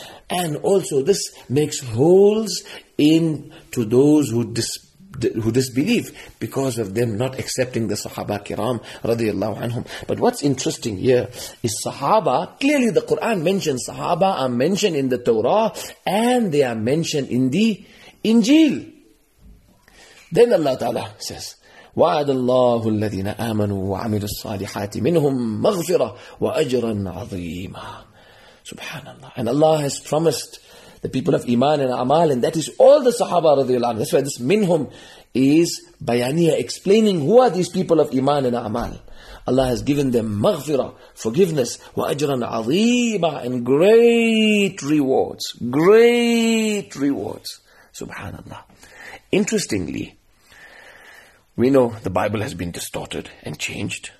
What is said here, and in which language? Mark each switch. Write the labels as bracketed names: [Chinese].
[English] And also this makes holes in to those who disbelieve because of them not accepting the Sahaba kiram radiallahu anhum. But what's interesting here is Sahaba, clearly the Quran mentions Sahaba are mentioned in the Torah and they are mentioned in the Injil. Then Allah Ta'ala says, [Arabic] وَعَدَ اللَّهُ الَّذِينَ آمَنُوا وَعَمِلُوا الصَّالِحَاتِ مِنْهُمْ مَغْفِرَةً وَأَجْرًا عَظِيمًا. [English] Subhanallah. And Allah has promised the people of Iman and Amal, and that is all the Sahaba radiallahu anhu. That's why this minhum is bayaniya, explaining who are these people of Iman and Amal. Allah has given them maghfira, forgiveness, [Arabic] wa ajran azeema, [English] and great rewards. Great rewards. Subhanallah. Interestingly, we know the Bible has been distorted and changed.